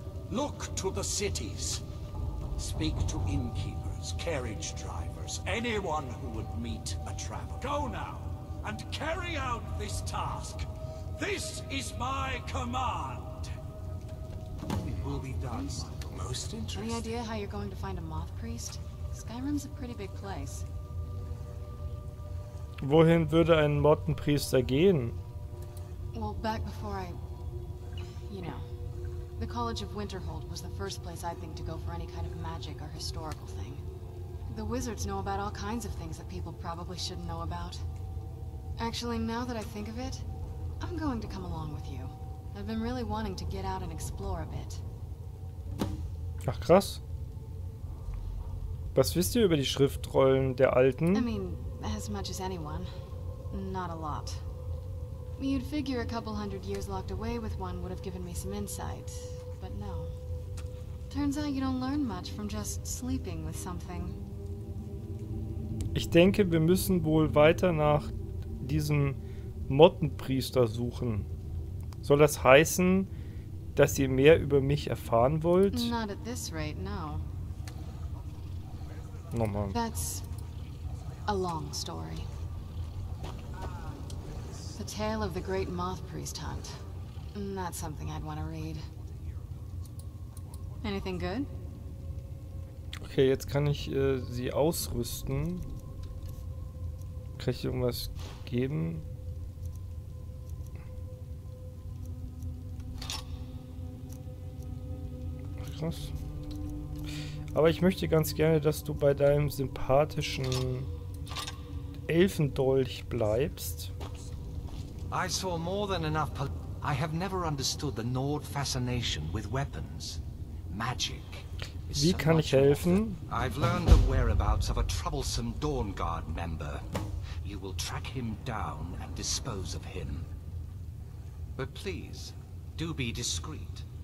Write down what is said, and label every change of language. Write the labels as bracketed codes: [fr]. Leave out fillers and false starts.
[en] Look to the cities. Speak to innkeepers, carriage drivers, anyone who would meet a traveler. Go now and carry out this task. This is my command. It will be done. Any idea how you're going to find a moth priest? Skyrim's a pretty big place. [de] Wohin würde ein Mottenpriester gehen? [en] Well, back before I... You know. The College of Winterhold was the first place I'd think to go for any kind of magic or historical thing. The wizards know about all kinds of things that people probably shouldn't know about. Actually, now that I think of it, I'm going to come along with you. I've been really wanting to get out and explore a bit. [de] Ach krass. Was wisst ihr über die Schriftrollen der Alten? [en] I mean, as much as anyone. Not a lot. You'd figure a couple hundred years locked away with one would have given me some insight, but no. Turns out you don't learn much from just sleeping with something. [de] Ich denke, wir müssen wohl weiter nach diesem Mottenpriester suchen. Soll das heißen, dass ihr mehr über mich erfahren wollt? [en] Not at this rate, no. [de] Nochmal. [en] That's a long story. The tale of the great moth priest hunt. Not something I'd want to read. Anything good? [de] Okay, jetzt kann ich sie ausrüsten. Kann ich irgendwas geben? Krass. Aber ich möchte ganz gerne, dass du bei deinem sympathischen Elfendolch bleibst. [en] I saw more than enough I have never understood the Nord fascination with weapons. Magic. [de] Wie kann ich helfen? [en] I've learned the whereabouts of a troublesome Dawn Guard member. You will track him down and dispose of him. But please, do be discreet.